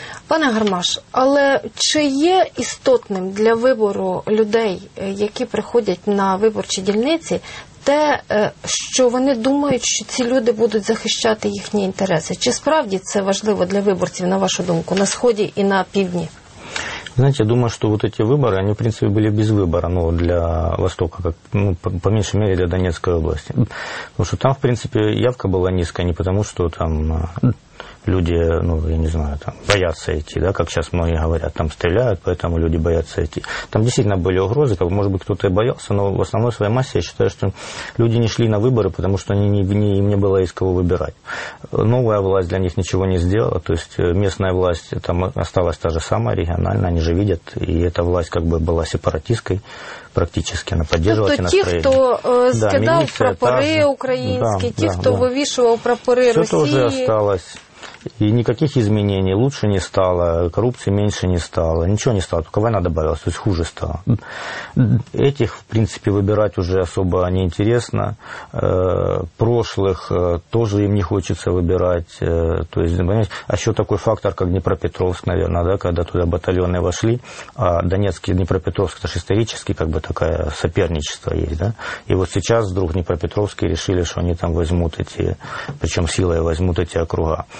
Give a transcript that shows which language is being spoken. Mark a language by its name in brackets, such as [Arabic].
[Ukrainian] Пане Гармаш, але чи є істотним для вибору людей, які приходять на виборчі дільниці, те, що вони думають, що ці люди будуть захищати їхні інтереси? Чи справді це важливо для виборців, на вашу думку, на Сході і на Півдні? [Russian] Знаете, я думаю, что вот эти выборы, они, в принципе, были без выбора, ну, для Востока, как, ну, по меньшей мере, для Донецкой области. Потому что там, в принципе, явка была низкая, не потому что там люди, ну, я не знаю, там, боятся идти, да, как сейчас многие говорят, там стреляют, поэтому люди боятся идти. Там действительно были угрозы, как, может быть, кто-то и боялся, но в основной своей массе я считаю, что люди не шли на выборы, потому что они им не было из кого выбирать. Новая власть для них ничего не сделала, то есть местная власть там осталась та же самая, региональная, они же видят, и эта власть как бы была сепаратистской. Практически на поддерживать [Ukrainian] тобто ті, хто скидав прапори українські, ті, хто вивішував прапори Росії. Все це вже осталось. [Russian] И никаких изменений лучше не стало, коррупции меньше не стало, ничего не стало, только война добавилась, то есть хуже стало. Этих, в принципе, выбирать уже особо неинтересно, прошлых тоже им не хочется выбирать, то есть, понимаете, а еще такой фактор, как Днепропетровск, наверное, да, когда туда батальоны вошли, а Донецк и Днепропетровск, это же исторически, как бы, такое соперничество есть, да, и вот сейчас вдруг Днепропетровские решили, что они там возьмут эти, причем силой возьмут эти округа.